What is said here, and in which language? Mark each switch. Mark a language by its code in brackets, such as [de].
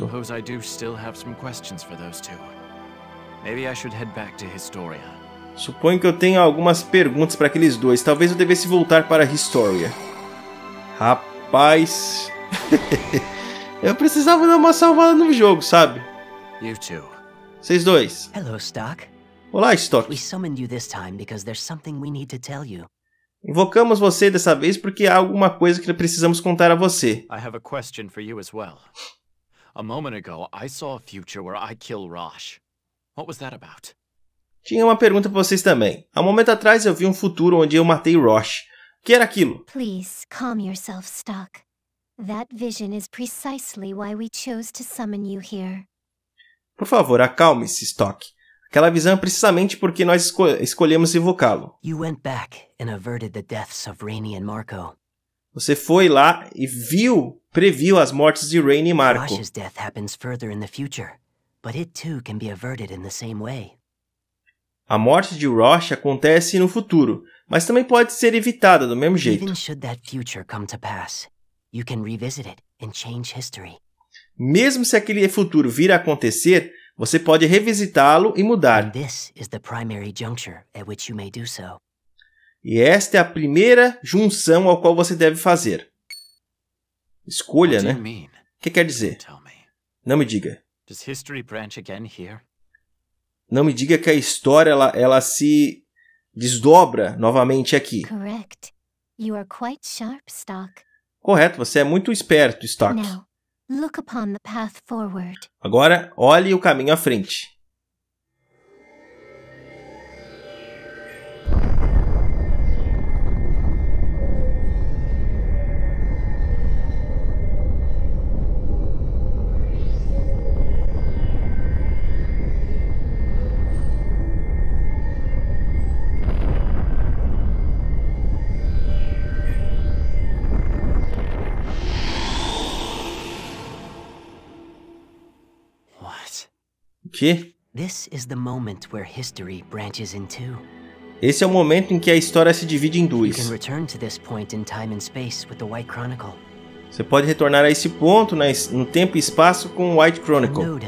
[en] Suppose I do still have some questions for those two. Maybe I should head back to Historia. [pt] Suponho que eu tenha algumas perguntas para aqueles dois. Talvez eu devesse voltar para Historia. Rapaz, eu precisava dar uma salvada no jogo, sabe? [en] You two. [pt] Vocês dois. [en] Hello, Stock. [pt] Olá, Stock. [en] We summoned you this time because there's something we need to tell you. [pt] Invocamos você dessa vez porque há alguma coisa que precisamos contar a você. [en] I have a question for you as well. A moment ago, I saw a future where I kill Rosh. What was that about? [pt] Tinha uma pergunta para vocês também. Há um momento atrás eu vi um futuro onde eu matei Rosh. O que era aquilo? [en] Please calm yourself, Stock. That vision is precisely why we chose to summon you here. [pt] Por favor, acalme-se, Stock. Aquela visão é precisamente porque nós escolhemos invocá-lo. [en] You went back and averted the deaths of Rainy and Marco. [pt] Você foi lá e viu, previu as mortes de Rainy e Marco. [en] Rosh's death happens further in the future, but it too can be averted in the same way. [pt] A morte de Rosh acontece no futuro, mas também pode ser evitada do mesmo jeito. [en] Even should that future come to pass, you can revisit it and change history. [pt] Mesmo se aquele futuro vir a acontecer, você pode revisitá-lo e mudar. [en] This is the primary juncture at which you may do so. [pt] E esta é a primeira junção ao qual você deve fazer. Escolha, né? O que quer dizer? Não me diga. [en] Does history branch again here? [pt] Não me diga que a história ela se desdobra novamente aqui. [en] Correct. You are quite sharp, Stock. [pt] Correto, você é muito esperto, Stock. [en] Now. Look upon the path forward. [pt] Agora, olhe o caminho à frente. [en] What? [pt] O quê? [en] This is the moment where history branches in two. [pt] Esse é o momento em que a história se divide em duas. [en] You can return to this point in time and space with the White Chronicle. [pt] Você pode retornar a esse ponto no tempo e espaço com o White Chronicle.